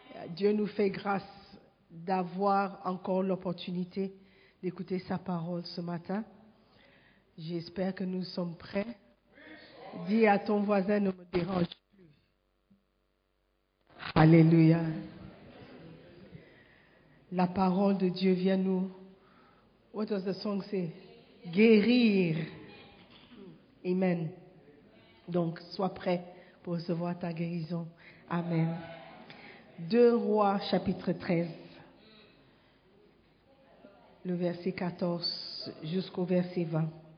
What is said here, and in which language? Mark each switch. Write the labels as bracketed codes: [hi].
[fr] Dieu nous fait grâce d'avoir encore l'opportunité d'écouter sa parole ce matin. J'espère que nous sommes prêts. Dis à ton voisin, ne me dérange plus. Alléluia. La parole de Dieu vient nous, [en] what does the song say? [fr] Guérir. Amen. Donc, sois prêt pour recevoir ta guérison. Amen. Deux Rois, chapitre 13, le verset 14. jusqu'au verset 20.